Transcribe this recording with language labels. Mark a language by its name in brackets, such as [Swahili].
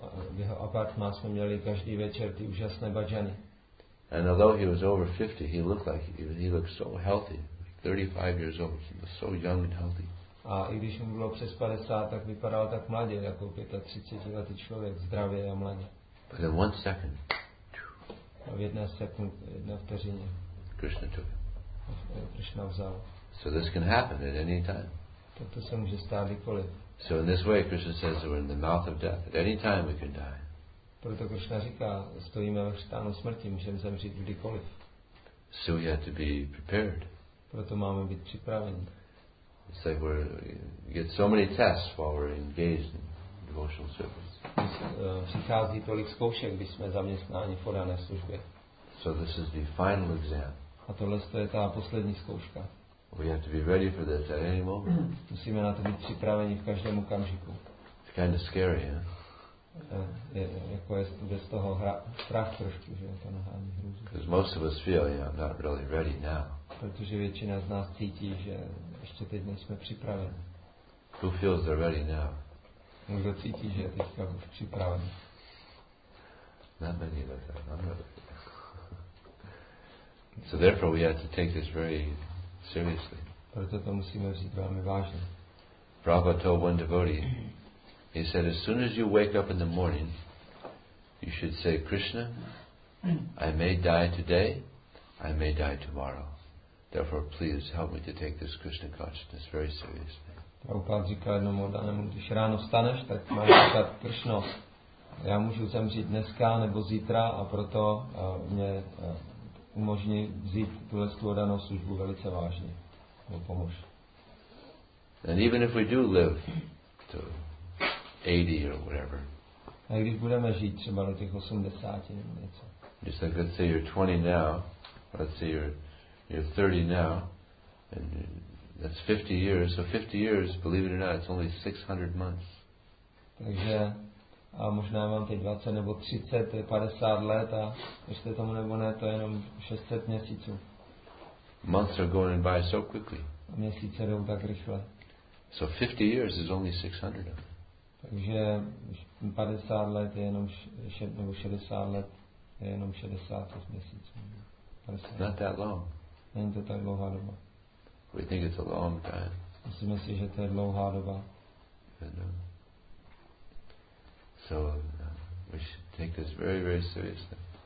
[Czech] V jeho apartmá jsme měli každý večer ty úžasné bhajany. [English] And although he was over 50, he looked so healthy. 35 years old, he was so young and healthy. [Czech] A i když mu bylo přes 50, tak vypadal tak mladě, jako 35letý člověk, zdravě a mladě. [English] But in one second. [Czech] A v jedné sekundě, jedné vteřině. [English] Krishna took him. [Czech] Krishna vzal. [English] So this can happen at any time. [Czech] Toto se může stát kdykoliv. [English] So in this way, Krishna says that we're in the mouth of death. At any time we can die. [Czech] Proto Krishna říká, stojíme v stánu smrti, můžeme zemřít kdykoliv. [English] So we have to be prepared. [Czech] Proto máme být připraveni. [English] It's like we get so many tests while we're engaged in devotional service. [Czech] Přichází tolik zkoušek, když jsme zaměstnáni v podané službě. [English] So this is the final exam. [Czech] A tohle je ta poslední zkouška. [English] We have to be ready for this at any moment. [Czech] Musíme na to být připraveni v každém okamžiku. [English] It's kind of scary, huh? [Czech] Jako je bez toho strach trošku, že to nahání hrůzu. [English] Because most of us feel, you know, I'm not really ready now. [Czech] Protože většina z nás cítí, že ještě teď nejsme připraveni. [English] Who feels they're ready now? [Czech] Kdo cítí, že je teďka už připraveni? [English] Not many of us. So therefore we have to take this very seriously. [Czech] Proto to musíme vzít velmi vážně. [English] Prabhupada told one devotee, he said, as soon as you wake up in the morning, you should say, Krishna, I may die today, I may die tomorrow. Therefore, please help me to take this Krishna consciousness very seriously. [Czech] Prabhupada říká jednomu danému, když ráno staneš, tak máš říkat, Krishna, já můžu zemřít dneska nebo zítra a proto mě umožní vzít tuhle odanou službu velice vážně. Nebo pomož. [English] And even if we do live to 80 or whatever. [Czech] A když budeme žít třeba do těch 80 nebo něco. [English] Just like, let's say you're 20 now, let's say you're 30 now, and that's 50 years. So 50 years, believe it or not, it's only 600 months. [Czech] Takže a možná mám teď 20 nebo 30, 50 let a ještě tomu nebo ne, to je jenom 600 měsíců. [English] Months are going by so quickly. [Czech] Měsíce jdou tak rychle. [English] So 50 years is only 600. [Czech] Takže 50 let je jenom nebo 60 let je jenom 60 měsíců. [English] Not that long. [Czech] Není to tak dlouhá doba. [English] We think it's a long time. [Czech] Myslíme si, že to je dlouhá doba. [English] And, so we should take this very, very seriously.